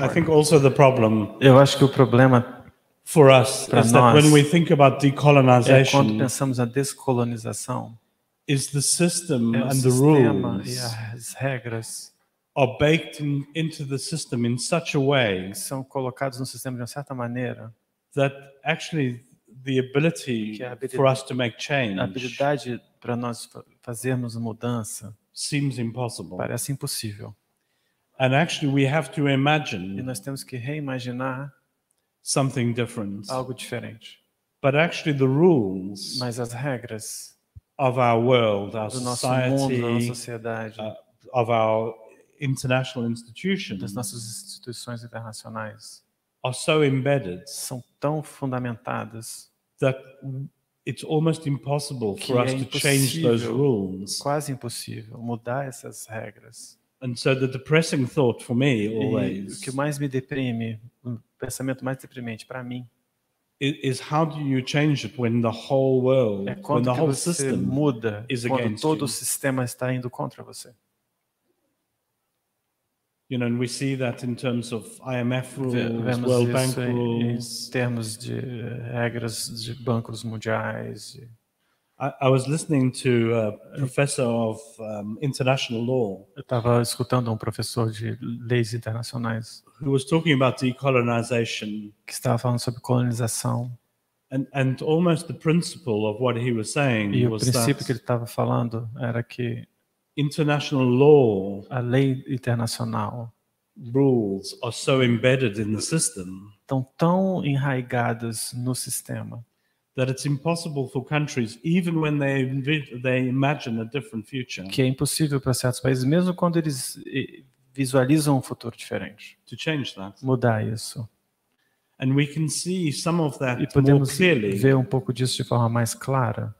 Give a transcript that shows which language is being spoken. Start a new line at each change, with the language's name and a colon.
English: I think also the problem.
Portuguese: Eu acho que o problema
English: for us is that when we think about decolonization,
Portuguese: quando pensamos na descolonização,
English: is the system
Portuguese: é
English: and the rules
Portuguese: e as regras
English: are baked in, into the system in such a way,
Portuguese: são colocados no sistema de uma certa maneira,
English: that actually the ability for us to make change,
Portuguese: a habilidade para nós fazermos mudança,
English: seems impossible.
Portuguese: Parece impossível.
English: And actually we have to imagine,
Portuguese: e nós temos que reimaginar,
English: something different,
Portuguese: algo diferente.
English: But actually the rules,
Portuguese: mas as regras
English: of our world, our
Portuguese: do nosso
English: society,
Portuguese: mundo, da nossa sociedade,
English: of our international institutions,
Portuguese: das nossas instituições internacionais,
English: are so embedded,
Portuguese: são tão fundamentadas,
English: that it's almost impossible for us to change those rules,
Portuguese: quase impossível mudar essas regras.
English: And so the depressing thought for me always,
Portuguese: o que mais me deprime, o pensamento mais deprimente para mim,
English: is how do you change it when the whole world,
Portuguese: é quando
English: when the whole system
Portuguese: muda,
English: is against
Portuguese: quando todo
English: you.
Portuguese: O sistema está indo contra você.
English: You know, and we see that in terms of IMF rules,
Portuguese: vemos
English: World Bank rules,
Portuguese: em termos de regras de bancos mundiais.
English: I was listening to a professor of international law.
Portuguese: Eu estava escutando um professor de leis internacionais.
English: Who was talking about decolonization.
Portuguese: Que estava falando sobre colonização.
English: And almost the principle of what he was saying
Portuguese: e
English: was
Portuguese: o princípio
English: that
Portuguese: que ele estava falando era que
English: international law,
Portuguese: a lei internacional,
English: rules are so embedded in the system.
Portuguese: Estão tão enraizadas no sistema.
English: That it's impossible for countries, even when they imagine a different future,
Portuguese: que é impossível para certos países, mesmo quando eles visualizam um futuro diferente,
English: to change that,
Portuguese: mudar isso.
English: And we can see some of that
Portuguese: e podemos
English: more clearly
Portuguese: ver um pouco disso de forma mais clara